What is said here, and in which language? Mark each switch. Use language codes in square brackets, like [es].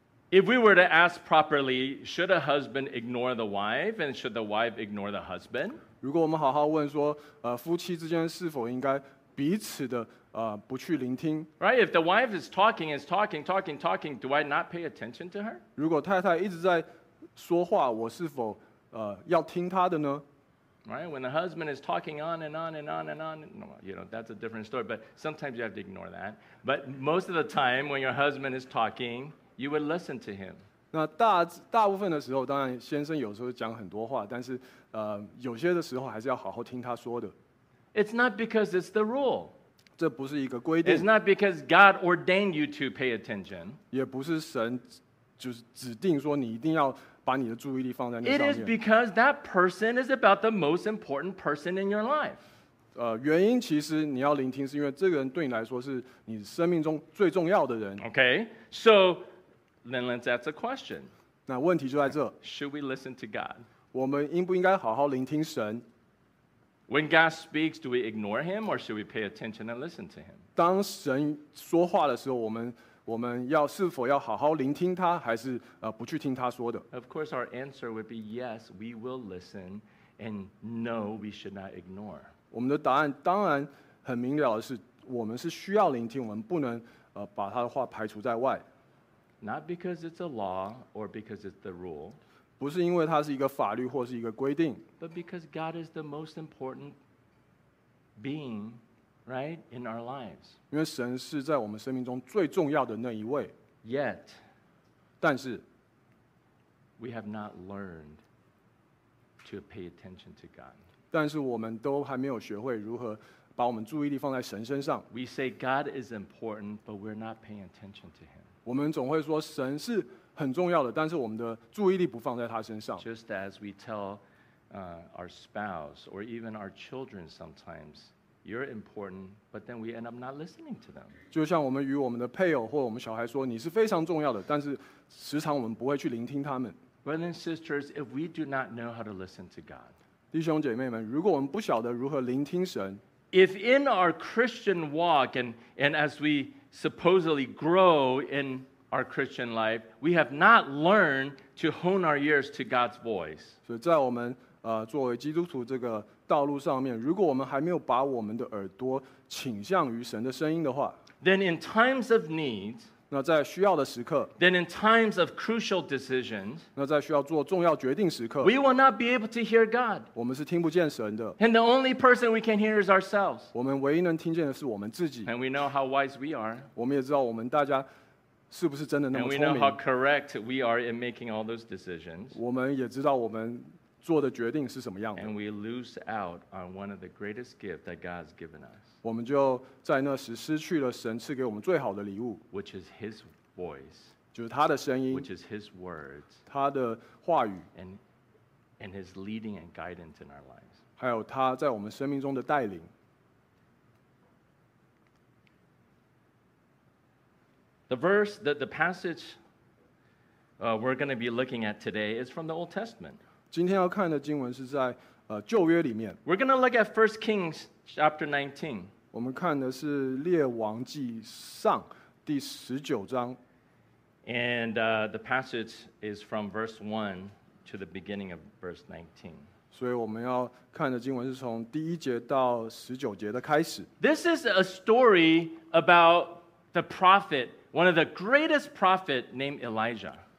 [en] If we were to ask properly, should a husband ignore the wife, and should the wife ignore the husband? [zh] 如果我们好好问说，夫妻之间是否应该彼此的不去聆听 [en] ？Right, if the wife is talking, do I not pay attention to her? [zh] 如果太太一直在说话，我是否要听她的呢 [en] ？Right, when the husband is talking on and on and on and on, you know that's a different story. But sometimes you have to ignore that. But most of the time, when your husband is talking. You would listen to him. [zh] 那大部分的时候，当然先生有时候讲很多话，但是有些的时候还是要好好听他说的。 [en] It's not because it's the rule. [zh] 这不是一个规定。 [en] It's not because God ordained you to pay attention. [zh] 也不是神就是指定说你一定要把你的注意力放在那上面。 [en] It is because that person is about the most important person in your life. [zh] 原因其实你要聆听，是因为这个人对你来说是你生命中最重要的人。 [en] Okay, so. Then let's ask a question. [zh] 那问题就在这。 [en] Should we listen to God? [zh] 我们应不应该好好聆听神 [en] When God speaks, do we ignore him or should we pay attention and listen to him? [zh] 当神说话的时候，我们要是否要好好聆听他，还是不去听他说的？ [en] Of course, our answer would be yes, we will listen, and no, we should not ignore. [zh] 我们的答案当然很明了的是，我们是需要聆听，我们不能把他的话排除在外。 [en] Not because it's a law or because it's the rule. [zh] 不是因为它是一个法律或是一个规定。 [en] But because God is the most important being. Right in our lives. [zh] 因为神是在我们生命中最重要的那一位。 [en] Yet, [zh] 但是 [en] we have not learned to pay attention to God. [zh] 但是我们都还没有学会如何把我们注意力放在神身上。 [en] We say God is important, but we're not paying attention to Him. [zh] 我们总会说神是很重要的，但是我们的注意力不放在他身上。 [en] Just as we tell our spouse or even our children sometimes. You're important, but then we end up not listening to them. [zh] 就像我们与我们的配偶或我们小孩说，你是非常重要的，但是时常我们不会去聆听他们。 [en] Brothers and sisters, if we do not know how to listen to God, [zh] 弟兄姐妹们，如果我们不晓得如何聆听神， [en] if in our Christian walk and as we supposedly grow in our Christian life, we have not learned to hone our ears to God's voice. [zh] 所以在我们作为基督徒这个道路上面，如果我们还没有把我们的耳朵倾向于神的声音的话， [en] then in times of need, [zh] 那在需要的时刻， [en] then in times of crucial decisions, [zh] 那在需要做重要决定时刻， [en] we will not be able to hear God. [zh] 我们是听不见神的， [en] and the only person we can hear is ourselves. [zh] 我们唯一能听见的是我们自己， [en] and we know how wise we are. [zh] 我们也知道我们大家是不是真的那么聪明， [en] and we know how correct we are in making all those decisions. [zh] 我们也知道我们做的决定是什么样的。 [en] And we lose out on one of the greatest gifts that God has given us. [zh] 我们就在那时失去了神赐给我们最好的礼物。 [en] Which is His voice. [zh] 就是他的声音。 [en] Which is His words. [zh] 他的话语。 [en] And His leading and guidance in our lives. [zh] 还有他在我们生命中的带领。 [en] The passage we're going to be looking at today is from the Old Testament. [zh] 今天要看的经文是在旧约里面。 [en] We're going to look at 1 Kings chapter 19. [zh] 我们看的是列王记上第十九章。 [en] And the passage is from verse 1 to the beginning of verse 19. [zh] 所以我们要看的经文是从第一节到十九节的开始。 [en] This is a story about the prophet, one of the greatest prophet named Elijah.